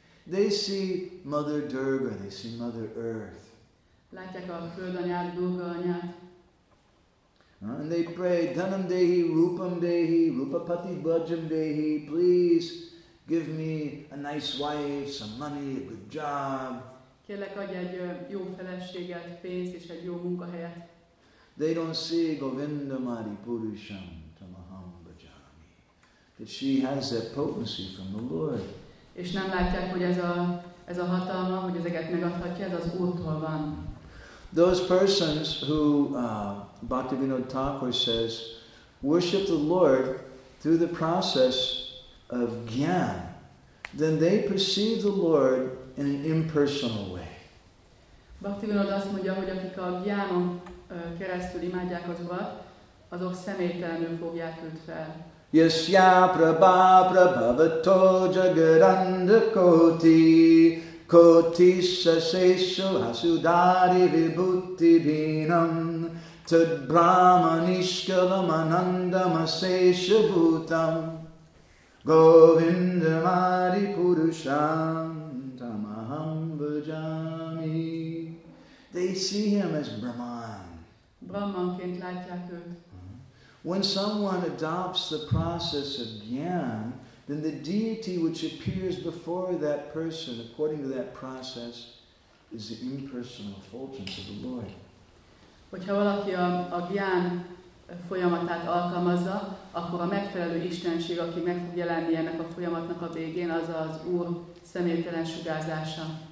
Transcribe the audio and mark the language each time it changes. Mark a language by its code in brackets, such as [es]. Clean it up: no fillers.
[en] They see Mother Durga, they see Mother Earth. [hu] Látják a földanyát, Durga anyát. [en] And they pray, [sa] dhanam dehi, rupam dehi, rupapati bhajam dehi, [en] please Give me a nice wife, some money, a good job. [hu] Kérlek, adj egy jó feleséget, pénzt és egy jó munkahelyet. [en] They don't see [sa] Govinda Mari Purusham Tamaham Bhajami. [en] That she has that potency from the Lord. [hu] És nem látják, hogy ez a hatalma, hogy ezeket megadhatja, ez az Úrtól van. [en] Those persons who Bhaktivinoda Thakur says worship the Lord through the process of gyan, then they perceive the Lord in an impersonal way. [hu] Bhaktivinoda azt mondja, hogy akik a gyánon keresztül imádják az Urat, azok személytelenül fogják őt fel. [sa] Yasya prabha prabhavato jagranda koti koti sasesho asudari vibhuti bhinam tad brahmanishkalam anandam asesha bhutam govinda mari purusham tamaham bhajami. [en] They see him as Brahman. [hu] Brahmanként látják őt. [en] When someone adopts the process of jnana, then the deity which appears before that person, according to that process, is the impersonal effulgence of the Lord. [hu] Hogyha valaki a jnana folyamatát alkalmazza, akkor a megfelelő istenség, aki meg fog jelenni ennek a folyamatnak a végén, az az Úr személytelen sugárzása.